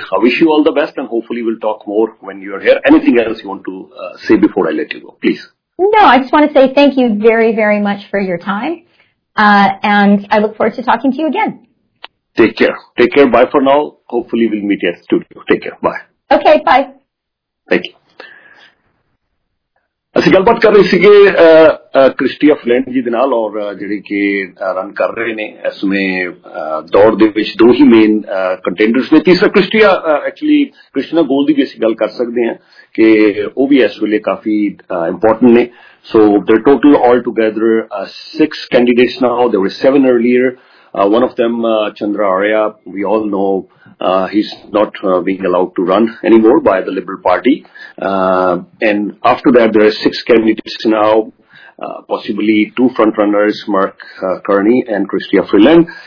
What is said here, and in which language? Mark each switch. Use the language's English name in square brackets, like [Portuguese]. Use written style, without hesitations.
[English] I wish you all the best, and hopefully we'll talk more when you're here. Anything else you want to say before I let you go, please? No, I just want to say thank you very, very much for your time. And I look forward to talking to you again. Take care. Take care. Bye for now. Hopefully we'll meet at the studio. Take care. Bye. Okay, bye. Thank you. [Punjabi] ਅਸੀਂ ਗੱਲਬਾਤ ਕਰ ਰਹੇ ਸੀਗੇ Christy ਫਲੈਂਡ ਜੀ ਦੇ ਨਾਲ, ਔਰ ਜਿਹੜੇ ਕਿ ਰਨ ਕਰ ਰਹੇ ਨੇ ਇਸ ਸਮੇਂ ਦੌੜ ਦੇ ਵਿੱਚ, ਦੋ ਹੀ ਮੇਨ ਕੰਟੈਂਡਰਸ ਨੇ। ਤੀਸਰਾ ਕ੍ਰਿਸਟੀਆ, ਐਕਚੁਅਲੀ ਕ੍ਰਿਸ਼ਨਾ ਗੋਲ ਦੀ ਵੀ ਅਸੀਂ ਗੱਲ ਕਰ ਸਕਦੇ ਹਾਂ ਕਿ ਉਹ ਵੀ ਇਸ ਵੇਲੇ ਕਾਫੀ ਇੰਪੋਰਟੈਂਟ ਨੇ। [English] So they total all together six candidates now, they were seven earlier. One of them, Chandra Arya, we all know he's not being allowed to run anymore by the Liberal Party. And after that, there are six candidates now, possibly two front runners, Mark Carney and Chrystia Freeland.